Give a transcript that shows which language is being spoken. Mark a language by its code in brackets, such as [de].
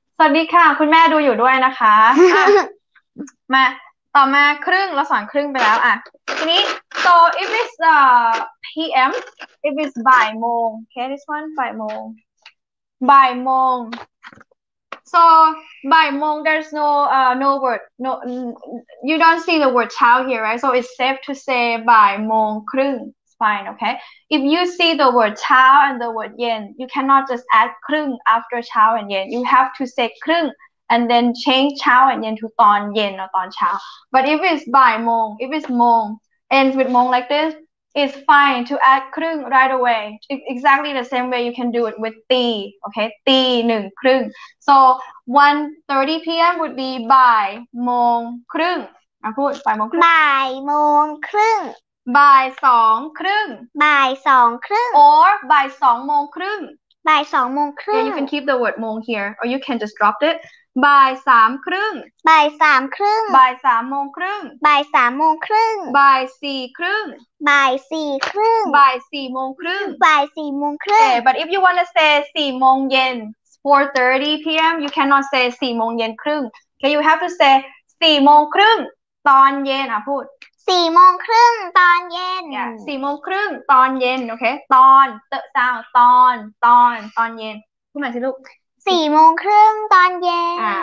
[th] สวัสดีค่ะคุณแม่ดูอยู่ด้วยนะคะ มาต่อมาครึ่งเราสอนครึ่งไปแล้วอ่ะทีนี้ [en] so if it's p.m. if it's [th] บ่ายโมง [en] okay this one [th] บ่ายโมงบ่ายโมง [en] so บ่ายโมง there's no no word no you don't see the word [th] เช้า [en] here right so it's safe to say [th] บ่ายโมงครึ่ง [en] Fine, okay. If you see the word chao and the word yen, you cannot just add krung after chao and yen. You have to say krung and then change chao and yen to ton yen or ton chao. But if it's by mong, if it's mong, ends with mong like this, it's fine to add krung right away. Exactly the same way you can do it with ti, okay? [th] Ti nung krung. [en] So 1:30 p.m. would be [th] by mong krung. [en] I put by mong krung. [th] By mong krung. บ่ายสองครึ่ง บ่ายสองครึ่ง or บ่ายสองโมงครึ่ง บ่ายสองโมงครึ่ง [en] yeah, you can keep the word [th] โมง [en] here or you can just drop it [th] บ่ายสามครึ่ง บ่ายสามครึ่ง บ่ายสามโมงครึ่ง บ่ายสามโมงครึ่ง บ่ายสี่ครึ่ง บ่ายสี่ครึ่ง บ่ายสี่โมงครึ่ง บ่ายสี่โมงครึ่ง [en] okay but if you want to say 4:00 p.m. 4:30 p.m. you cannot say 4:00 p.m. [th] ครึ่ง [en] okay you have to say 4:30 [th] ตอนเย็นอ่ะพูด สี่โมงครึ่งตอนเย็น สี่โมงครึ่งตอนเย็นโอเคตอนเตะซาวตอนเย็นพูดใหม่สิลูก สี่โมงครึ่งตอนเย็น